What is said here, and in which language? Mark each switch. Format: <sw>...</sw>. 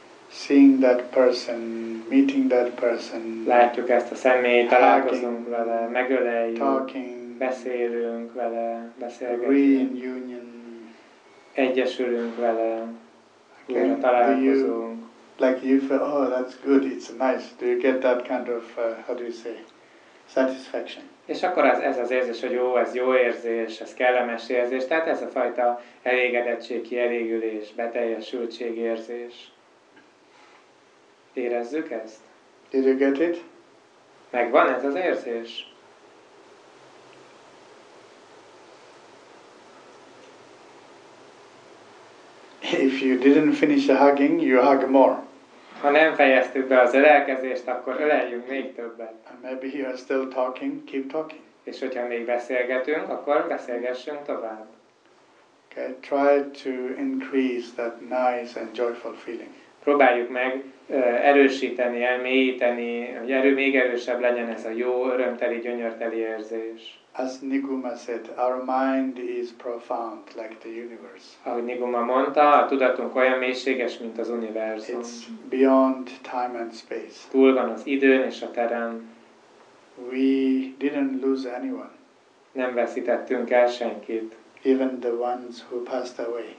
<en>Seeing that person, meeting that person.</en> <hu>Látjuk ezt a személyt, találkozunk vele, megöleljük,</hu> <en>talking,</en> <hu>beszélünk vele, beszélgetünk.</hu> <en>Reunion.</en> <hu>Egyesülünk vele, újra találkozunk.</hu> <en>Like you feel, oh, that's good, it's nice. Do you get that kind of, how do you say, satisfaction?</en> <hu>És akkor ez az érzés, hogy jó, ez jó érzés, ez kellemes érzés. Tehát ez a fajta elégedettség, kielégülés, beteljesültség érzés. Érezzük ezt?</hu> <en>Did you get it?</en> <hu>Megvan ez az érzés?</hu> <en>If you didn't finish a hugging, you hug more.</en> <hu>Ha nem fejeztük be az ölelkezést, akkor öleljünk még többet.</hu> <en>And maybe you are still talking, keep talking.</en> <hu>És hogyha még beszélgetünk, akkor beszélgessünk tovább.</hu> <en>Okay, try to increase that nice and joyful feeling.</en> <hu>Próbáljuk meg erősíteni, elmélyíteni, hogy még erősebb legyen ez a jó, örömteli, gyönyörteli érzés.</hu> <en>As Niguma said, our mind is profound, like the universe.</en> <hu>Ahogy Niguma mondta, a tudatunk olyan mélységes, mint az univerzum.</hu> <en>It's beyond time and space.</en> <hu>Túl van az időn és a teren.</hu> <en>We didn't lose anyone.</en> <hu>Nem veszítettünk el senkit.</hu> <en>Even the ones who passed away.</en>